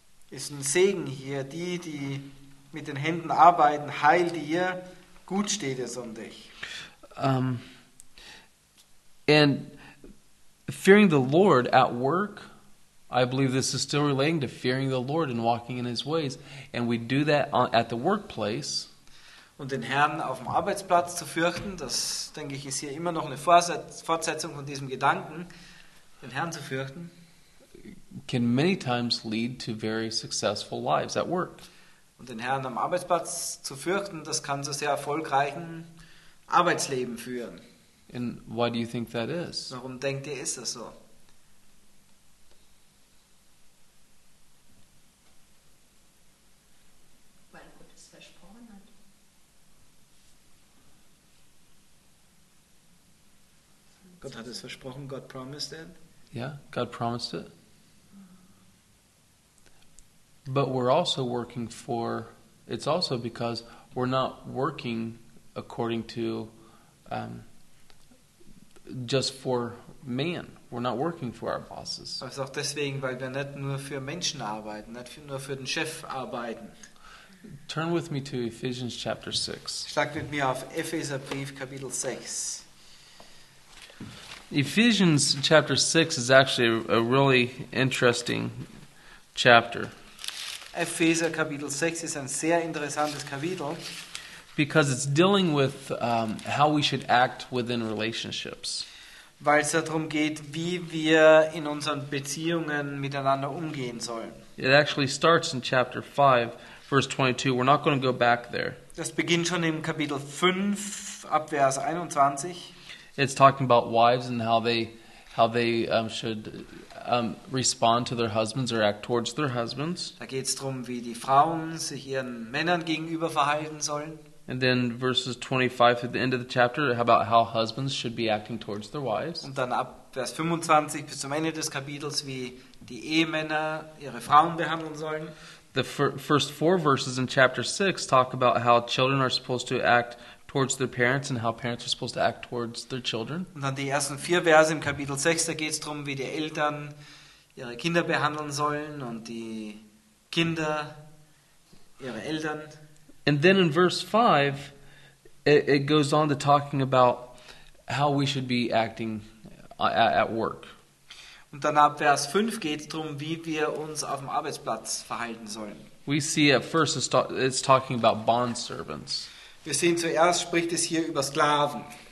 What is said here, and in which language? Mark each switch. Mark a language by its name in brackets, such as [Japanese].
[German] Ist ein Segen hier, die mit den Händen arbeiten, heil dir, gut steht es um dich. [English] And fearing the Lord at work, I believe this is still relating to fearing the Lord and walking in his ways. And we do that at the workplace. [German] Und den Herrn auf dem Arbeitsplatz zu fürchten, das, denke ich, ist hier immer noch eine Fortsetzung von diesem Gedanken, den Herrn zu fürchten. [English] Can many times lead to very successful lives at work. [German] Und den Herrn am Arbeitsplatz zu fürchten, das kann zu sehr erfolgreichen Arbeitsleben führen. [English] And why do you think that is? [German] Warum denkt ihr, ist das so? Weil Gott es versprochen hat. Gott hat es versprochen, [English] God promised it. Yeah, God promised it. But we're also working for, it's also because we're not working according to just for man. We're not working for our bosses. [German] Das ist auch deswegen, weil wir nicht nur für Menschen arbeiten, nicht nur für den Chef arbeiten. [English] Turn with me to Ephesians chapter 6. [German] Schlag mit mir auf Epheserbrief Kapitel 6. [English] Ephesians chapter 6 is actually a really interesting chapter. [German] Epheser Kapitel 6 ist ein sehr interessantes Kapitel. [English] Because it's dealing with how we should act within relationships. [German] Weil es darum geht, wie wir in unseren Beziehungen miteinander umgehen sollen. [English] It actually starts in chapter 5, verse 22. We're not going to go back there. [German] Das beginnt schon im Kapitel 5, ab Vers 21. [English] It's talking about wives and how they should respond to their husbands or act towards their husbands. [German] Da geht's drum, wie die Frauen sich ihren Männern gegenüber verhalten sollen. [English] And then verses 25 through the end of the chapter, about how husbands should be acting towards their wives. [German] Und dann ab Vers 25 bis zum Ende des Kapitels, wie die Ehemänner ihre Frauen behandeln sollen. [English] The first four verses in chapter 6 talk about how children are supposed to act towards their parents and how parents are supposed to act towards their children. [German] Und dann die ersten vier Verse im Kapitel 6, da geht's drum, wie die Eltern ihre Kinder behandeln sollen und die Kinder ihre Eltern. [English] And then in verse 5 it goes on to talking about how we should be acting at work. [German] Und dann ab Vers 5 geht's drum, wie wir uns auf dem Arbeitsplatz verhalten sollen. [English] We see at first it's talking about bond servants. [German] Wir sehen zuerst, spricht es hier über Sklaven.